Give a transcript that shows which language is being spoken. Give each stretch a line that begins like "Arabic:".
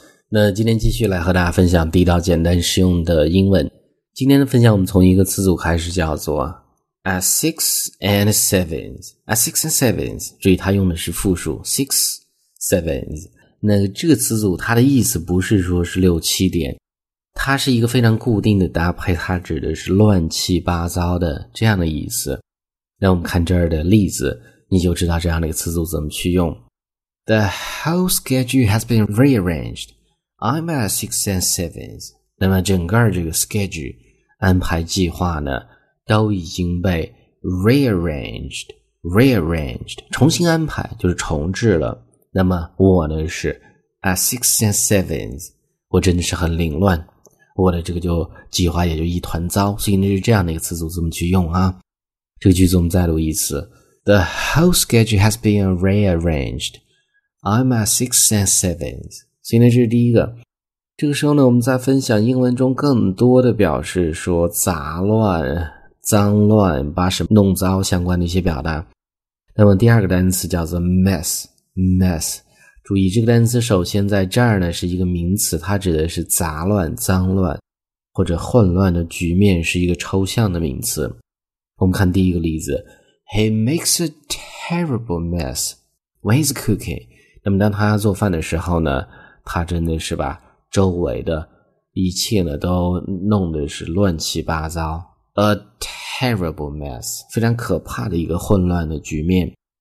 Chinese: 那今天继续来和大家分享地道、简单、实用的英文。今天的分享，我们从一个词组开始，叫做 "at six and sevens"。 "at six and sevens"， 注意它用的是复数 "six sevens"。那这个词组它的意思不是说是六七点，它是一个非常固定的搭配，它指的是乱七八糟的这样的意思。那我们看这儿的例子，你就知道这样的一个词组怎么去用。
English: The whole schedule has been rearranged. I'm at six and sevens.
Chinese: 那么整个这个 schedule 安排计划呢，都已经被 rearranged 重新安排，就是重置了。那么我呢是 at six and sevens. 我真的是很凌乱，我的这个就计划也就一团糟。所以呢，是这样的一个词组，怎么去用啊？这个句子我们再读一次
English: ：The whole schedule has been rearranged. I'm at six and sevens.
Chinese: 所以呢，这是第一个。这个时候呢，我们在分享英文中更多的表示说杂乱、脏乱、把什么弄糟相关的一些表达。那么第二个单词叫做 mess。注意这个单词首先在这儿呢是一个名词，它指的是杂乱、脏乱或者混乱的局面，是一个抽象的名词。我们看第一个例子
English: ，He makes a terrible mess when he's cooking.
Chinese: 那么当他做饭的时候呢，他真的是把周围的一切呢都弄得是乱七八糟。 A terrible mess, 非常可怕的一个混乱的局面。